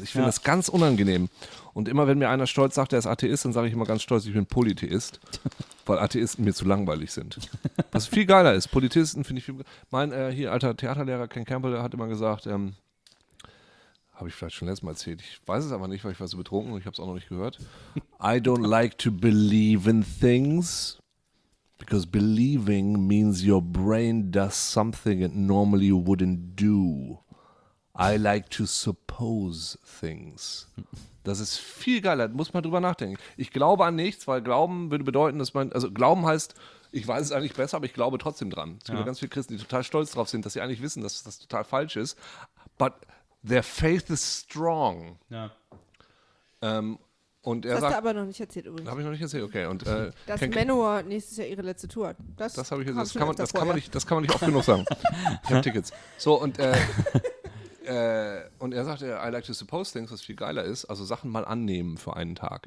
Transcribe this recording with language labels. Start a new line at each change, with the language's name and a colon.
German: Ich finde das ganz unangenehm. Und immer wenn mir einer stolz sagt, er ist Atheist, dann sage ich immer ganz stolz, ich bin Polytheist, weil Atheisten mir zu langweilig sind. Was viel geiler ist, Polytheisten finde ich viel geiler. Mein hier alter Theaterlehrer Ken Campbell hat immer gesagt, habe ich vielleicht schon letztes Mal erzählt, ich weiß es aber nicht, weil ich war so betrunken und ich habe es auch noch nicht gehört.
English: I don't like to believe in things, because believing means your brain does something it normally wouldn't do. I like to suppose things.
German: Das ist viel geiler, muss man drüber nachdenken. Ich glaube an nichts, weil Glauben würde bedeuten, dass man, also Glauben heißt, ich weiß es eigentlich besser, aber ich glaube trotzdem dran. Es gibt ja ganz viele Christen, die total stolz drauf sind, dass sie eigentlich wissen, dass das total falsch ist.
English: But their faith is strong.
German: Ja. Und er das sagt, hast du aber noch nicht erzählt übrigens. Habe ich noch nicht erzählt, okay. Und, dass Manowar nächstes Jahr ihre letzte Tour hat. Das habe ich jetzt, das kann man nicht oft genug sagen. Ich habe Tickets. So, und und er sagte,
English: I like to suppose things,
German: was viel geiler ist, also Sachen mal annehmen für einen Tag.